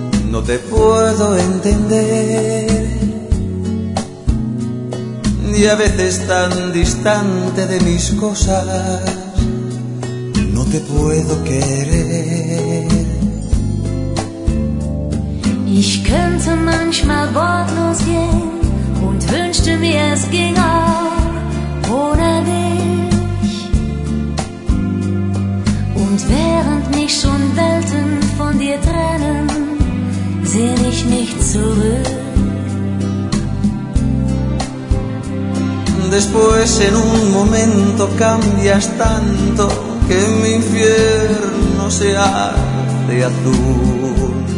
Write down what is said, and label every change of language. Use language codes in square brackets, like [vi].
[es] No te puedo entender. Y a veces tan distante de mis cosas, no te puedo querer. [de] Ich könnte manchmal wortlos gehen und wünschte mir, es ging auch ohne dich. Und während mich schon Welten von dir trennen, sehn ich mich zurück. [es] Después, en un momento, cambias tanto que mi infierno se hace azul.